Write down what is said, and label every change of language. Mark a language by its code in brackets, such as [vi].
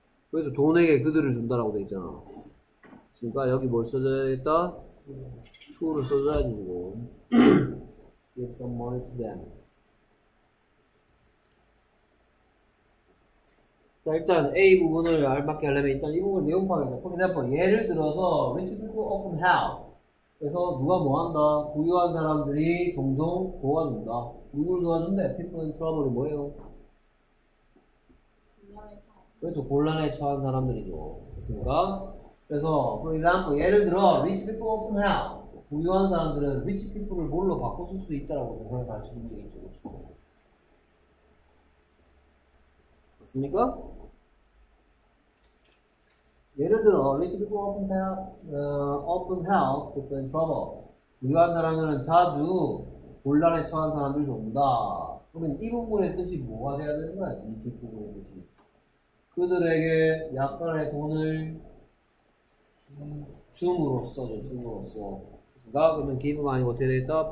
[ko] 그래서 돈에게 그들을 준다라고 돼 있잖아. 그러니까 여기 뭘 써줘야겠다? to를 써줘야지. [en] give some money to them. [ko] 자, 일단 A 부분을 알맞게 하려면 일단 이 부분을 내용 파악해야 돼. [en] For example, [ko] 예를 들어서 [en] Rich people often help. [ko] 그래서 누가 뭐 한다? 부유한 사람들이 종종 도와준다. 누굴 도와준대? [en] People in trouble이 [ko] 뭐예요? 그렇죠. 곤란에 처한 사람들이죠. 그렇습니까? 그래서 [en] for example, [ko] 예를 들어 [en] Rich people often help. [ko] 부유한 사람들은 [en] Rich people을 [ko] 뭘로 바꿔 쓸수 있다라고 오늘 가르쳐준 게 있죠. 맞습니까? [en] 예를 들어, rich people often help people in trouble. [ko] 부유한 사람들은 자주 곤란에 처한 사람들이 돕는다. 그러면 이 부분의 뜻이 뭐가 돼야 되는 거야? 이 뒷부분의 뜻이. 그들에게 약간의 돈을 줌으로써죠, 줌으로써. 그러니까 그러면 give 아니고 어떻게 되겠다?